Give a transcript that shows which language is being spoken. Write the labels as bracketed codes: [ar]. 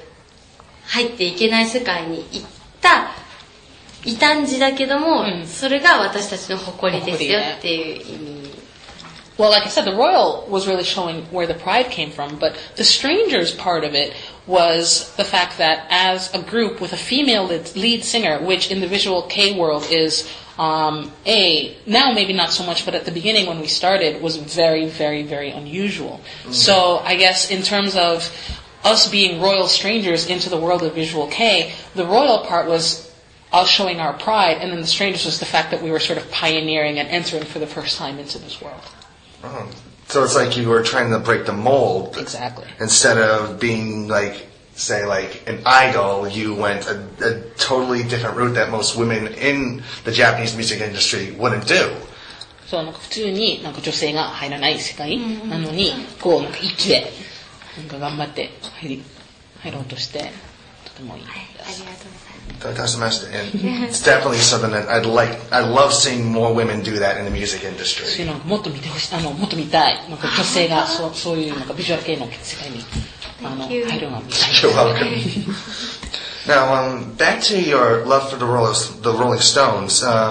[ja] ビジュアル系の方に一気に行ったんですよ。その時はやっぱり女子っていうのがNGでしょ。でもそこに行った、異端児、異端児ってわかります？なんていうのかな。ちょっと奇妙な人、奇妙な。だから、そう、だから、私たちは、その、ちょっと入っていけない世界に行った、 [en] Well, like I said, the royal was really showing where the pride came from, but the stranger's part of it was the fact that as a group with a female lead singer, which in the visual K world is now maybe not so much, but at the beginning when we started was very, very, very unusual. Mm-hmm. So I guess in terms of us being royal strangers into the world of visual K, the royal part was us showing our pride, and then the strangest was the fact that we were sort of pioneering and entering for the first time into this world. Oh. So it's like you were trying to break the mold. Exactly. Instead of being like, say, like an idol, you went a totally different route that most women in the Japanese music industry wouldn't do. So, like, [ja] 普通になんか女性が入らない世界なのに、こうなんか一気で、なんか頑張って入ろうとして、とてもいい。 [en] That's a message, and it's definitely something that I'd like. I love seeing more women do that in the music industry. You're welcome. Now, back to your love for the Rolling Stones.